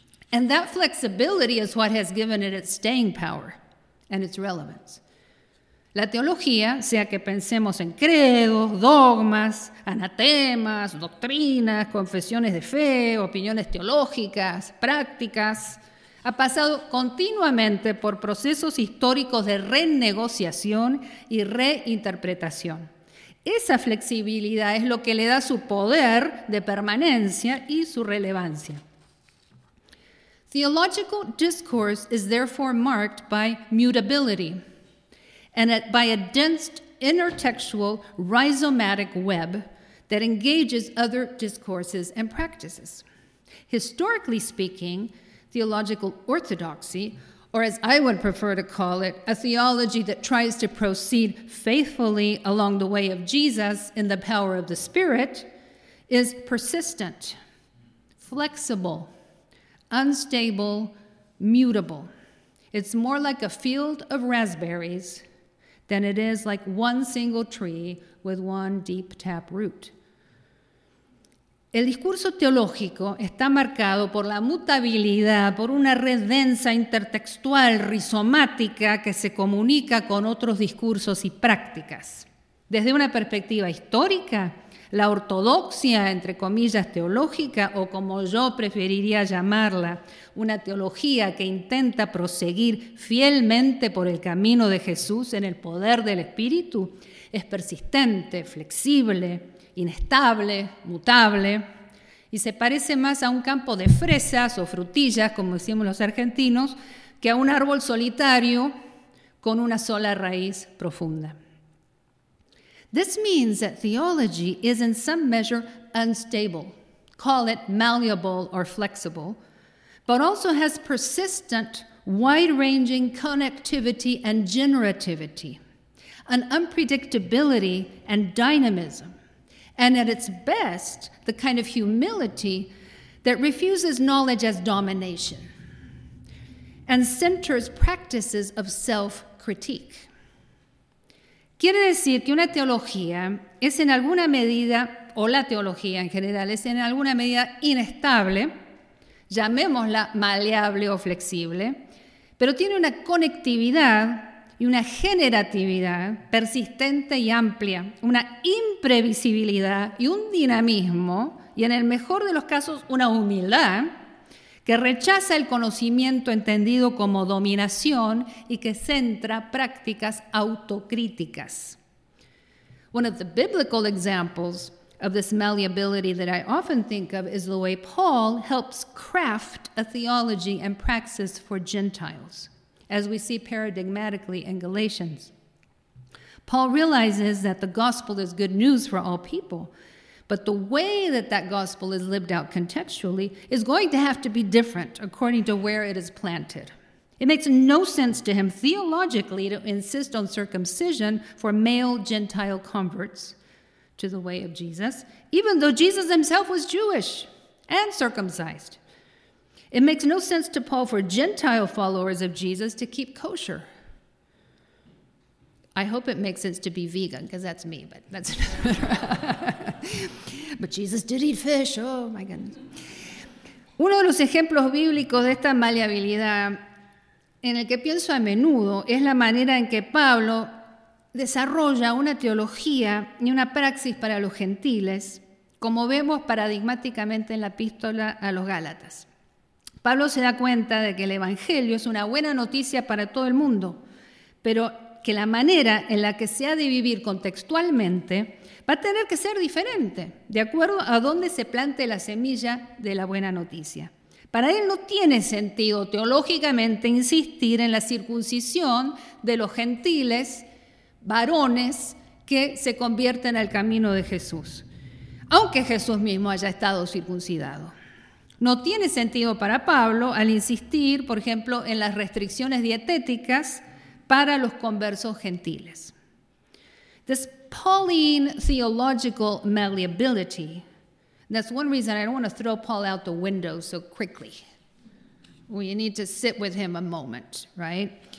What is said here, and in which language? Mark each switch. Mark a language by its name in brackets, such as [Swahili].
[English] And that flexibility is what has given it its staying power and its relevance. [Spanish] La teología, sea que pensemos en credos, dogmas, anatemas, doctrinas, confesiones de fe, opiniones teológicas, prácticas, ha pasado continuamente por procesos históricos de renegociación y reinterpretación. Esa flexibilidad es lo que le da su poder de permanencia y su relevancia. [English] Theological discourse is therefore marked by mutability and by a dense intertextual rhizomatic web that engages other discourses and practices. Historically speaking, theological orthodoxy, or as I would prefer to call it, a theology that tries to proceed faithfully along the way of Jesus in the power of the Spirit, is persistent, flexible, unstable, mutable. It's more like a field of raspberries than it is like one single tree with one deep tap root. [Spanish] El discurso teológico está marcado por la mutabilidad, por una red densa intertextual rizomática que se comunica con otros discursos y prácticas. Desde una perspectiva histórica, la ortodoxia, entre comillas, teológica, o como yo preferiría llamarla, una teología que intenta proseguir fielmente por el camino de Jesús en el poder del Espíritu, es persistente, flexible, inestable, mutable, y se parece más a un campo de fresas o frutillas, como decimos los argentinos, que a un árbol solitario con una sola raíz profunda. [English] This means that theology is in some measure unstable, call it malleable or flexible, but also has persistent, wide-ranging connectivity and generativity, an unpredictability and dynamism, and at its best, the kind of humility that refuses knowledge as domination and centers practices of self-critique. [Spanish] Quiere decir que una teología es en alguna medida, o la teología en general, es en alguna medida inestable, llamémosla maleable o flexible, pero tiene una conectividad y una generatividad persistente y amplia, una imprevisibilidad y un dinamismo, y en el mejor de los casos, una humildad, que rechaza el conocimiento entendido como dominación y que centra prácticas autocríticas. [English] One of the biblical examples of this malleability that I often think of is the way Paul helps craft a theology and praxis for Gentiles, as we see paradigmatically in Galatians. Paul realizes that the gospel is good news for all people, but the way that that gospel is lived out contextually is going to have to be different according to where it is planted. It makes no sense to him theologically to insist on circumcision for male Gentile converts to the way of Jesus, even though Jesus himself was Jewish and circumcised. It makes no sense to Paul for Gentile followers of Jesus to keep kosher. I hope it makes sense to be vegan, because that's me, but that's But Jesus did eat fish, oh my goodness. [Spanish] Uno de los ejemplos bíblicos de esta maleabilidad en el que pienso a menudo es la manera en que Pablo desarrolla una teología y una praxis para los gentiles, como vemos paradigmáticamente en la epístola a los Gálatas. Pablo se da cuenta de que el Evangelio es una buena noticia para todo el mundo, pero que la manera en la que se ha de vivir contextualmente va a tener que ser diferente, de acuerdo a dónde se plante la semilla de la buena noticia. Para él no tiene sentido teológicamente insistir en la circuncisión de los gentiles, varones, que se convierten al camino de Jesús, aunque Jesús mismo haya estado circuncidado. No tiene sentido para Pablo al insistir, por ejemplo, en las restricciones dietéticas para los conversos gentiles. [English] This Pauline theological malleability, That's one reason I don't want to throw Paul out the window so quickly. We need to sit with him a moment, right?